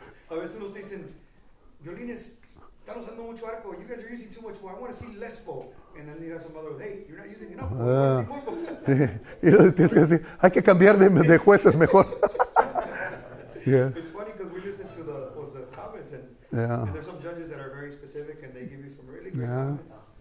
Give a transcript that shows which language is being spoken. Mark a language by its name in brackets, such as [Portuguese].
[Spanish] A veces nos dicen, violines, están usando mucho arco. [English] You guys are using too much bow. I want to see less bow. And then you have some other, hey, you're not using enough bow. [Spanish] Y tienes que decir, hay que cambiar de jueces mejor. [English] Yeah. It's funny because we listen to the comments and there's some judges that are very specific and they give you some really good comments.